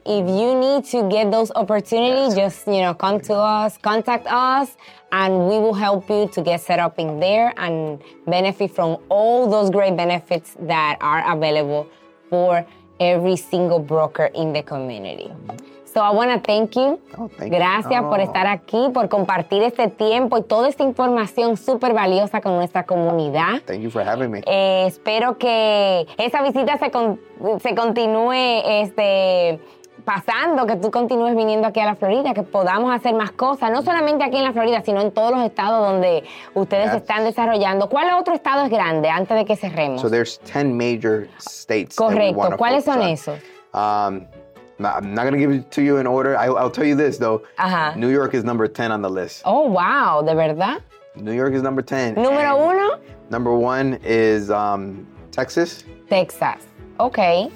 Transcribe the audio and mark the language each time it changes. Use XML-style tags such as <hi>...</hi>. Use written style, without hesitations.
<en>If you need to get those opportunities, just come to us, contact us, and we will help you to get set up in there and benefit from all those great benefits that are available for every single broker in the community. So I want to thank you.</en> <es>Gracias por estar aquí, por compartir este tiempo y toda esta información súper valiosa con nuestra comunidad.</es> <en>Thank you for having me.</en> <es>Espero que esa visita se continúe pasando, que tú continúes viniendo aquí a la Florida, que podamos hacer más cosas, no solamente aquí en la Florida, sino en todos los estados donde ustedes están desarrollando. ¿Cuál otro estado es grande antes de que cerremos?</es> <en>So there's 10 major states.</en> <es>Correcto. ¿Cuáles son esos?</es> <en>I'm not going to give it to you in order. I'll tell you this, though. Uh-huh. New York is number 10 on the list. Oh, wow.</en> <es>¿De verdad?</es> <en>New York is number 10.</en> <es>¿Número uno?</es> <en>Number one is Texas. Texas. Okay.</en>